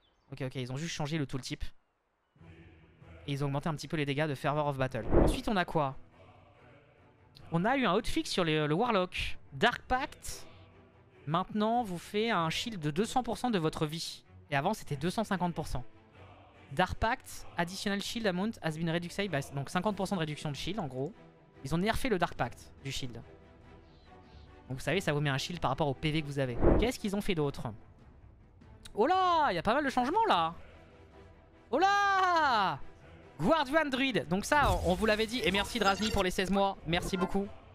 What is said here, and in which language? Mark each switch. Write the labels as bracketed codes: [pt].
[fr] Ok, ok, ils ont juste changé le tooltip. Et ils ont augmenté un petit peu les dégâts de Fervor of Battle. Ensuite, on a quoi? On a eu un hotfix sur le Warlock. Dark Pact, maintenant, vous fait un shield de 200% de votre vie. Et avant, c'était 250%. [en] Dark Pact, additional shield amount has been reduced by... [fr] Donc 50% de réduction de shield, en gros. Ils ont nerfé le Dark Pact du shield. Donc vous savez, ça vous met un shield par rapport au PV que vous avez. Qu'est-ce qu'ils ont fait d'autre? Oh là, il y a pas mal de changements, là. Oh là, Guardian Druid, donc ça on vous l'avait dit, et merci Drazni pour les 16 mois, merci beaucoup.